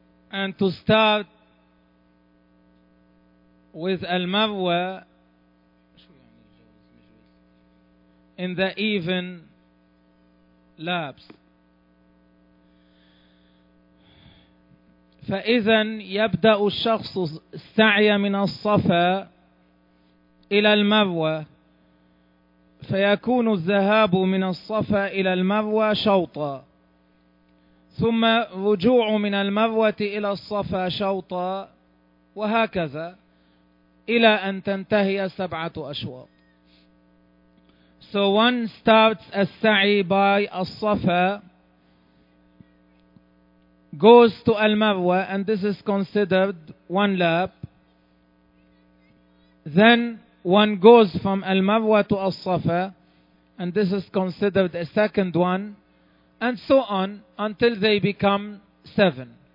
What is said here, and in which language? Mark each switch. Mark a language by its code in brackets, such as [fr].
[en] And to start with Al-Marwa in the even laps. [ar] فإذا يبدأ الشخص السعي من الصفا إلى المروة فيكون الذهاب من الصفا إلى المروة شوطا, ثم رجوع من المروة إلى الصفا شوطا, وهكذا إلى أن تنتهي سبعة أشواط. [en] So one starts السعي by الصفا, goes to Al-Marwa, and this is considered one lap. Then one goes from Al-Marwa to Al-Safa, and this is considered a second one, and so on until they become seven.